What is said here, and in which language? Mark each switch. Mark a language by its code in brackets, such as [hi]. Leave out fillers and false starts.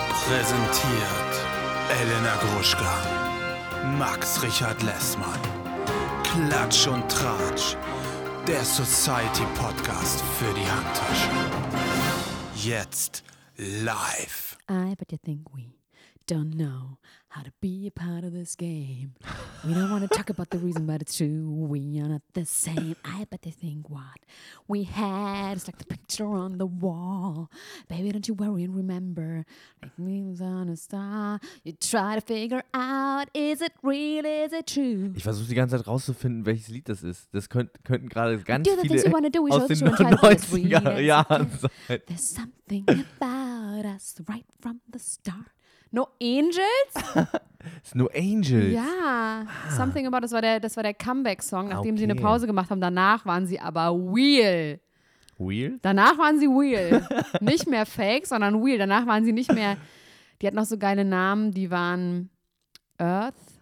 [de] präsentiert Elena Gruschka, Max Richard Lessmann, Klatsch und Tratsch, der Society Podcast für die Handtasche. Jetzt live. [en] I bet you think we don't know how to be a part of this game. We don't want to talk about the reason, but it's true. We are not the same. I bet they think what we had is like the picture on the wall. Baby, don't you worry and remember. Like moons on a star. You try to figure out, is it real, is it true? [de] Ich versuche die ganze Zeit rauszufinden, welches Lied das ist. Das könnten gerade ganz viele aus den 90er-Jahren sein. [en] There's something about us right from the start. [de] No Angels? [en] It's No Angels. [de] Ja, ah. Something About Us, das war der Comeback-Song, nachdem sie eine Pause gemacht haben. Danach waren sie aber real. Real? Danach waren sie real. Nicht mehr fake, sondern real. Danach waren sie nicht mehr, die hatten noch so geile Namen, die waren Earth.